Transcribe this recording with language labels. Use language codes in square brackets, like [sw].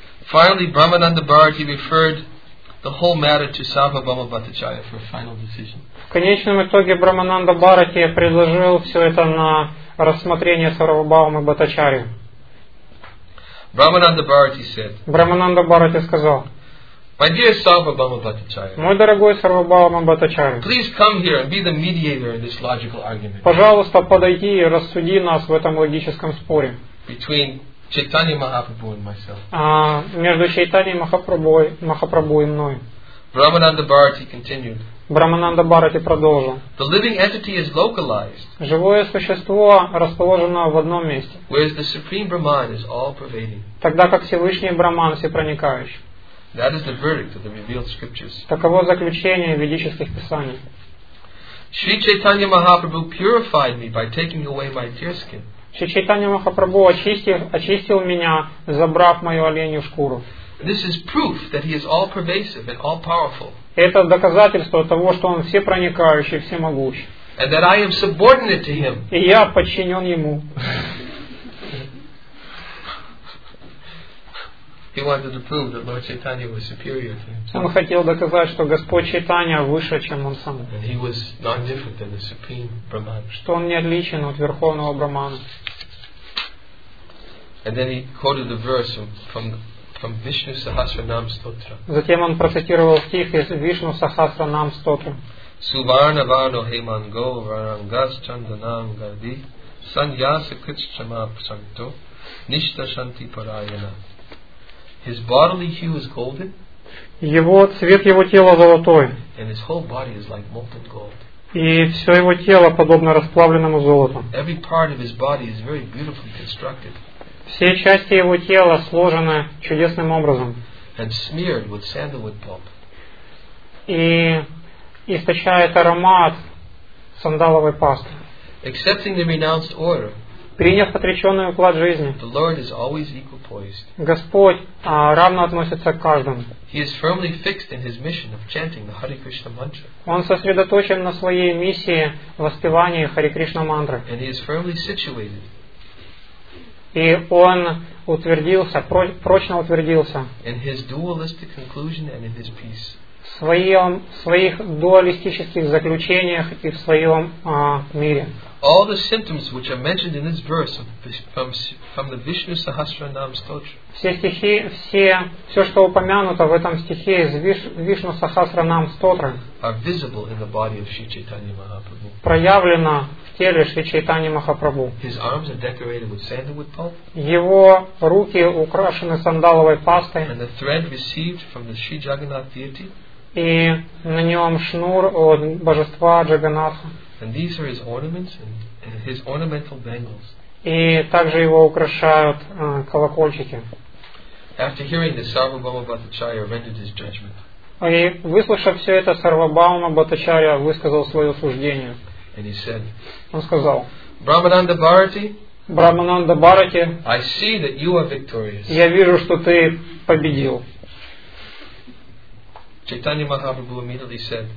[en] Finally, Brahmananda Bharati referred the whole matter to Sabha Bhama Bhattacharya for a final decision. [ru] В конечном итоге Брахмананда Бхарати предложил все это на рассмотрение Сарвабхаумы Бхаттачарьи. [en] Brahmananda Bharati said, [ru] Brahmananda Bharati сказал, [en] My dear Sarva Bhama Bhattacharya, [ru] мой дорогой Сарва Бхама Бхаттачарья, [en] please come here and be the mediator in this logical argument. [ru] Пожалуйста, подойди и рассуди нас в этом логическом споре. [en] Between Chaitanya Mahaprabhu and myself. [ru] Между Чайтаньей Махапрабху и мной. [en] Brahmananda Bharati continued, [ru] Брахмананда Бхарати продолжил. [en] The living entity is localized. [ru] Живое существо расположено в одном месте. [en] Whereas the Supreme Brahman is all-pervading. [ru] Тогда как Всевышний Брахман всепроникающий. [en] That is the verdict of the revealed scriptures. [ru] Таково заключение ведических писаний. [en] Sri Chaitanya Mahaprabhu purified me by taking away my deer skin. [ru] Sri Chaitanya Mahaprabhu очистил меня, забрав мою оленью шкуру. [en] This is proof that he is all-pervasive and all-powerful. [ru] Это доказательство того, что он всепроникающий, всемогущий. [en] And that I am subordinate to him. [ru] И я подчинен ему. [en] He wanted to prove that Lord Chaitanya was superior to himself. [ru] Он хотел доказать, что Господь Чайтанья выше, чем он сам. [en] And he was not different than the Supreme Brahman. [ru] Что он не отличен от Верховного Брахмана. [en] And then he quoted the verse from Vishnu Sahasranam Stotra. [ru] Затем он процитировал стих из Вишну Сахасранам Стотра. [sa] Suvarna Varno Hemango Varangas Chandanam Gardi Sanyasa Kritschama Psanto Nishta Shanti Parayana. [en] His bodily hue is golden. [ru] Его цвет его тела золотой. [en] And his whole body is like molten gold. [ru] И все его тело подобно расплавленному золоту. [en] Every part of his body is very beautifully constructed. [ru] Все части его тела сложены чудесным образом. [en] And smeared with sandalwood pulp. [ru] И источает аромат сандаловой пасты. [en] Accepting the renounced order, [ru] приняв отреченный уклад жизни, [en] the Lord is always equal poised. [ru] Господь равно относится к каждому. [en] He is firmly fixed in his mission of chanting the Hare Krishna mantra. [ru] Он сосредоточен на своей миссии воспевания Хари Кришна мантры. [en] And he is firmly situated. [ru] И он утвердился, прочно утвердился в своих дуалистических заключениях и в своем мире. [en] all the symptoms which are mentioned in this verse from the Vishnu Sahasranam Stotra. [ru] Все стихи, все, что упомянуто в этом стихе из Вишну Сахасранам Стотры, [en] are visible in the body of Shri Chaitanya Mahaprabhu. [ru] Проявлено в теле Шри Чайтани Махапрабху. [en] His arms are decorated with sandalwood pulp. [ru] Его руки украшены сандаловой пастой. [en] And the thread received from the Shri Jagannath deity. [ru] И на нем шнур от божества Джаганнатха. [en] And these are his ornaments and his ornamental bangles. [ru] И также его украшают колокольчики. [en] After hearing this, Sarvabhauma Bhattacharya rendered his judgment. [ru] И выслушав все это, Сарвабхаума Бхаттачарья высказал свое суждение. [en] And he said, [ru] он сказал, [en] Брахмананда Бхарати, [ru] Брахмананда Бхарати, [en] I see that you are victorious. [ru] Я вижу, что ты победил. [en] Чайтанья Махапрабху immediately said,